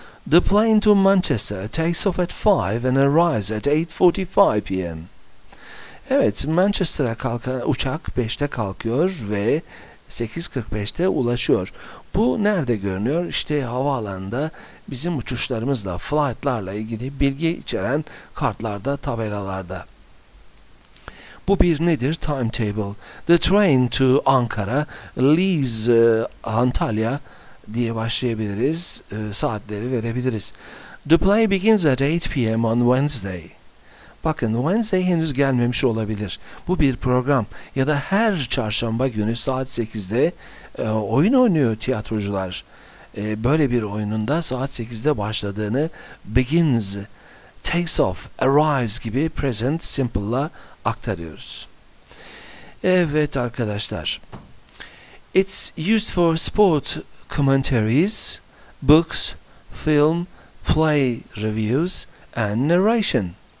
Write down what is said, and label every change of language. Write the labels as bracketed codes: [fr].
[en] The plane to Manchester takes off at 5 and arrives at 8:45 p.m. [tr] Evet, Manchester'a kalkan uçak 5'te kalkıyor ve 8:45'te ulaşıyor. Bu nerede görünüyor? İşte havaalanında bizim uçuşlarımızla, flightlarla ilgili bilgi içeren kartlarda, tabelalarda. Bu bir nedir? Timetable. [en] The train to Ankara leaves Antalya [tr] diye başlayabiliriz. Saatleri verebiliriz. [en] The play begins at 8 p.m. on Wednesday. [tr] Bakın, Wednesday henüz gelmemiş olabilir. Bu bir program. Ya da her çarşamba günü saat 8'de oyun oynuyor tiyatrocular. böyle bir oyununda saat 8'de başladığını begins, takes off, arrives gibi present simple'la aktarıyoruz. Evet arkadaşlar. [en] It's used for sport commentaries, books, film, play reviews and narration.